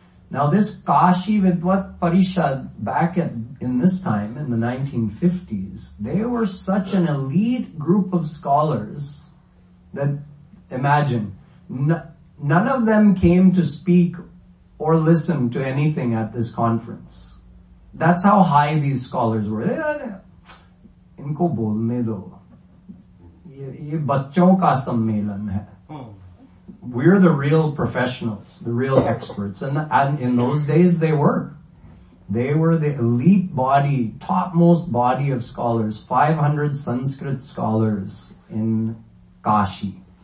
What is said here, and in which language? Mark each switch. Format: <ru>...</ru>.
<en>Now this Kashi Vidwat Parishad, back in this time, in the 1950s, they were such an elite group of scholars that, imagine, none of them came to speak or listen to anything at this conference. That's how high these scholars were.</en> <hi>इनको बोलने दो ये बच्चों का सम्मेलन है.</hi> <en>We're the real professionals, the real experts, and in those days they were the elite body, topmost body of scholars, 500 Sanskrit scholars in Kashi.</en>